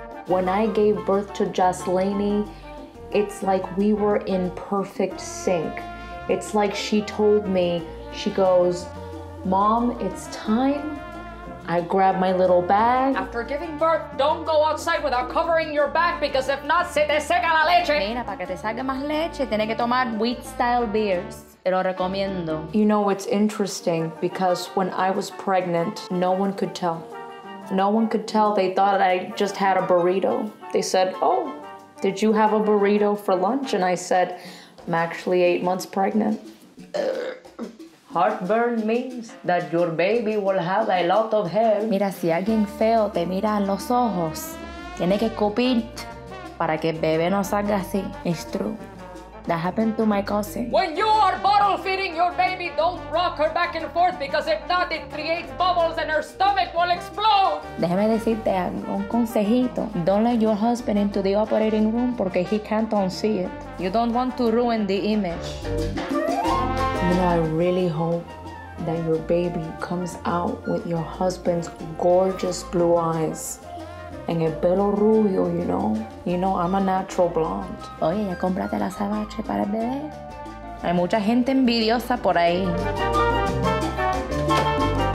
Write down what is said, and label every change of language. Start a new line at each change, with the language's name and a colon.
English: When I gave birth to Jocelyne, it's like we were in perfect sync. It's like she told me, she goes, Mom, it's time. I grab my little bag. After giving birth, don't go outside without covering your back because if not,
Spanish: se te seca la leche. Mira, para que te salga más leche, tienes que tomar
English: wheat-style beers.
Spanish: Te lo recomiendo.
English: You know, it's interesting because when I was pregnant, no one could tell. No one could tell. They thought I just had a burrito. They said, oh, did you have a burrito for lunch? And I said, I'm actually 8 months pregnant. Heartburn means that your baby will have a lot of hair.
Spanish: Mira, si alguien feo te mira en los ojos, tiene que escupir para que el bebé no salga así.
English: It's true. That happened to my cousin. When you are bottle feeding your baby, don't rock her back and forth because if not, it creates bubbles and her stomach will explode.
Spanish: Déjame decirte algo, un consejito.
English: Don't let your husband into the operating room porque he can't unsee it. You don't want to ruin the image. You know, I really hope that your baby comes out with your husband's gorgeous blue eyes.
Spanish: En el pelo rubio,
English: you know? You know, I'm a natural blonde.
Spanish: Oye, ya cómprate la sabache para el bebé. Hay mucha gente envidiosa por ahí.